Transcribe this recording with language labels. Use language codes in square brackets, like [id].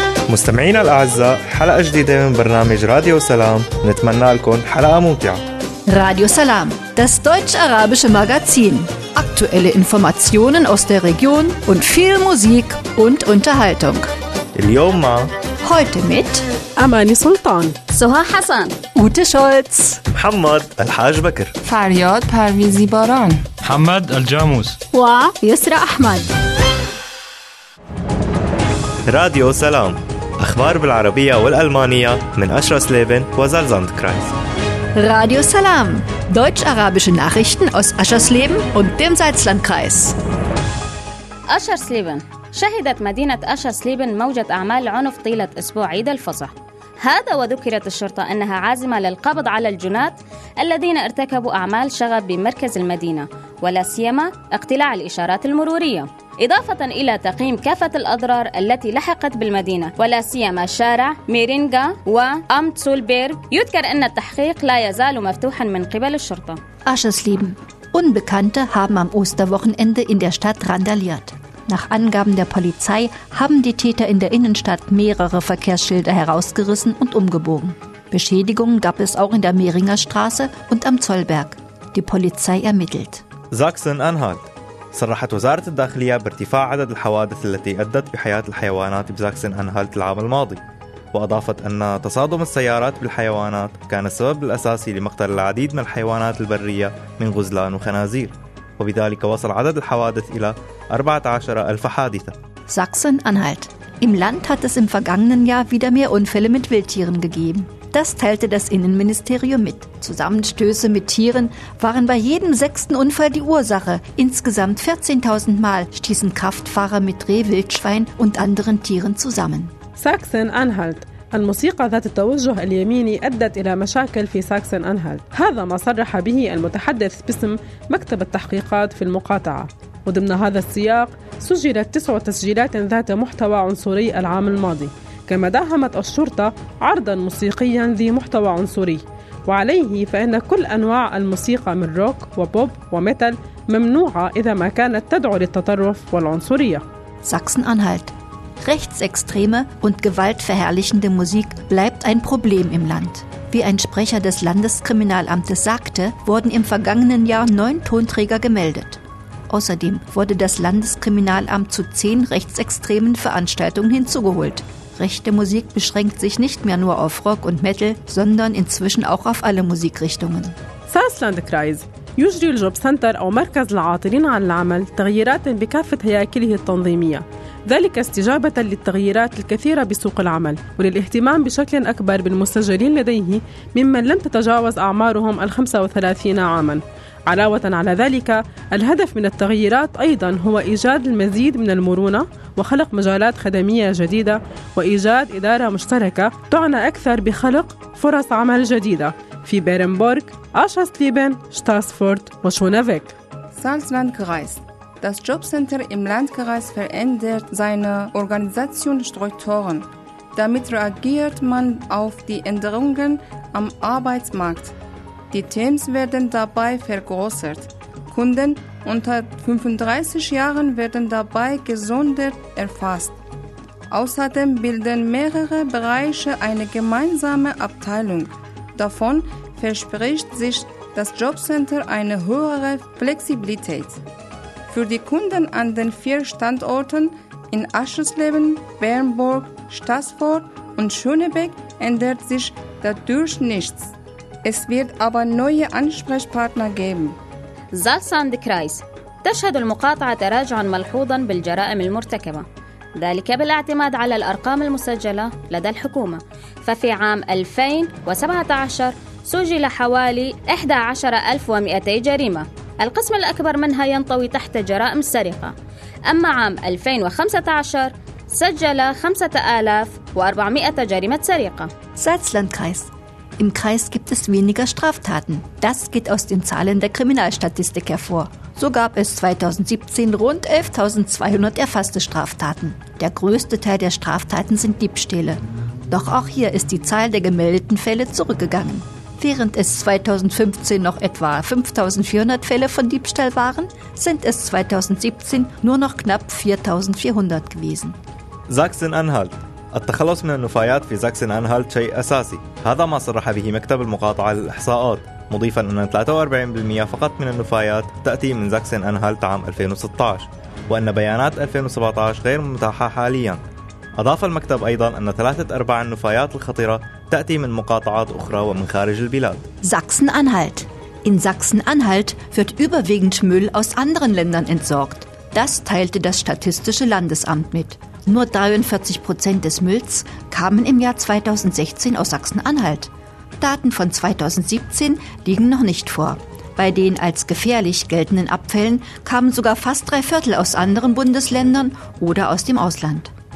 [ar] مستمعينا الأعزاء، حلقة جديدة من برنامج راديو سلام، نتمنى لكم حلقة ممتعة. [de] راديو سلام، das deutsch-arabische Magazin. Aktuelle Informationen aus der Region und viel Musik und Unterhaltung. [ar] اليوم مع [de] heute mit Amani Sultan, Soha Hassan, Ute Scholz, Muhammad Al-Haj Bakr, Faryad Parvizi Baran, Muhammad Al-Jamus [ar] و Yusra Ahmad. راديو سلام، أخبار بالعربية والألمانية من أشرس ليبن وزلزاند كرايس. [de] راديو سلام، deutsch-arabische Nachrichten aus Aschersleben und dem Salzlandkreis. [ar] أشرسليبن، شهدت مدينة أشرسليبن موجة أعمال عنف طيلة أسبوع عيد الفصح. هذا وذكرت الشرطة أنها عازمة للقبض على الجناة الذين ارتكبوا أعمال شغب بمركز المدينة، ولا سيما اقتلاع الإشارات المرورية، إضافة إلى تقييم كافة الأضرار التي لحقت بالمدينة، ولا سيما شارع ميرينغا وأمتسولبير. يذكر أن التحقيق لا يزال مفتوحا من قبل الشرطة. [de] Aschersleben. Unbekannte haben am Osterwochenende in der Stadt randaliert. Nach Angaben der Polizei haben die Täter in der Innenstadt mehrere Verkehrsschilder herausgerissen und umgebogen. Beschädigungen gab es auch in der Mehringer Straße und am Zollberg. Die Polizei ermittelt. Sachsen-Anhalt. [ar] صرحت وزارة الداخلية بارتفاع عدد الحوادث التي أدت بحياة الحيوانات بزاكسن-أنهالت العام الماضي، وأضافت أن تصادم السيارات بالحيوانات كان السبب الأساسي لمقتل العديد من الحيوانات البرية من غزلان وخنازير، وبذلك وصل عدد الحوادث إلى 14,000 حادثة. [de] Sachsen-Anhalt. Im Land hat es im vergangenen Jahr wieder mehr Unfälle mit Wildtieren gegeben. Das teilte das Innenministerium mit. Zusammenstöße mit Tieren waren bei jedem sechsten Unfall die Ursache. Insgesamt 14.000 Mal stießen Kraftfahrer mit Rehwildschwein und anderen Tieren zusammen. Sachsen-Anhalt. [ar] الموسيقى ذات التوجه اليميني أدت إلى مشاكل في ساكسن-أنهالت. هذا ما صرح به المتحدث باسم مكتب التحقيقات في المقاطعة. وضمن هذا السياق سجلت 9 تسجيلات ذات محتوى عنصري العام الماضي، كما داهمت الشرطة عرضاً موسيقياً ذي محتوى عنصري، وعليه فإن كل أنواع الموسيقى من روك وبوب وميتال ممنوعة إذا ما كانت تدعو للتطرف والعنصرية. [de] Sachsen-Anhalt. Rechtsextreme und gewaltverherrlichende Musik bleibt ein Problem im Land. Wie ein Sprecher des Landeskriminalamtes sagte, wurden im vergangenen Jahr 9 Tonträger gemeldet. Außerdem wurde das Landeskriminalamt zu 10 rechtsextremen Veranstaltungen hinzugeholt. Rechte Musik beschränkt sich nicht mehr nur auf Rock und Metal, sondern inzwischen auch auf alle Musikrichtungen. Saarlandkreis. [ar] يجري الجوب سنتر أو مركز العاطلين عن العمل تغييرات بكافة هياكله التنظيمية، ذلك استجابة للتغييرات الكثيرة بسوق العمل وللاهتمام بشكل أكبر بالمستجرين لديه ممن لم تتجاوز أعمارهم 35 عاما. علاوة على ذلك، الهدف من التغييرات أيضا هو إيجاد المزيد من المرونة وخلق مجالات خدمية جديدة وإيجاد إدارة مشتركة تعنى أكثر بخلق فرص عمل جديدة في بيرنبورغ، أشرسليبن، شتاسفورد وشونافيك. [de] Salzlandkreis. Das Jobcenter im Landkreis verändert seine Organisationsstrukturen. Damit reagiert man auf die Änderungen am Arbeitsmarkt. Die Teams werden dabei vergrößert. Kunden unter 35 Jahren werden dabei gesondert erfasst. Außerdem bilden mehrere Bereiche eine gemeinsame Abteilung. Davon verspricht sich das Jobcenter eine höhere Flexibilität. Für die Kunden an den 4 Standorten in Aschersleben, Bernburg, Stassfurt und Schönebeck ändert sich dadurch nichts. Es wird aber neue Ansprechpartner geben. Salzlandkreis. [ar] تشهد المقاطعة تراجعا ملحوظا بالجرائم المرتكبة، ذلك بالاعتماد على الأرقام المسجلة لدى الحكومة. ففي عام 2017 سجل حوالي 11,200 جريمة، القسم الأكبر منها ينطوي تحت جرائم السرقة. أما عام 2015 سجل 5,400 جريمة سرقة. [de] Salzlandkreis. Im Kreis gibt es weniger Straftaten. Das geht aus den Zahlen der Kriminalstatistik hervor. So gab es 2017 rund 11.200 erfasste Straftaten. Der größte Teil der Straftaten sind Diebstähle. Doch auch hier ist die Zahl der gemeldeten Fälle zurückgegangen. Während es 2015 noch etwa 5.400 Fälle von Diebstahl waren, sind es 2017 nur noch knapp 4.400 gewesen. Sachsen-Anhalt. [ar] التخلص من النفايات في ساكسن أنهالت شيء أساسي. هذا ما صرح به مكتب المقاطعة للإحصاءات، مضيفا أن 43% فقط من النفايات تأتي من ساكسن أنهالت عام 2016، وأن بيانات 2017 غير متاحة حاليا. أضاف المكتب أيضا أن 3/4 النفايات الخطيرة تأتي من مقاطعات أخرى ومن خارج البلاد. ساكسن أنهالت. [de] In Sachsen-Anhalt wird überwiegend Müll aus anderen Ländern entsorgt. Das teilte das Statistische Landesamt mit. Nur 43% des Mülls kamen im Jahr 2016 aus Sachsen-Anhalt. Daten von 2017 liegen noch nicht vor. Bei den als gefährlich geltenden Abfällen kamen sogar fast 3/4 aus anderen Bundesländern oder aus dem Ausland.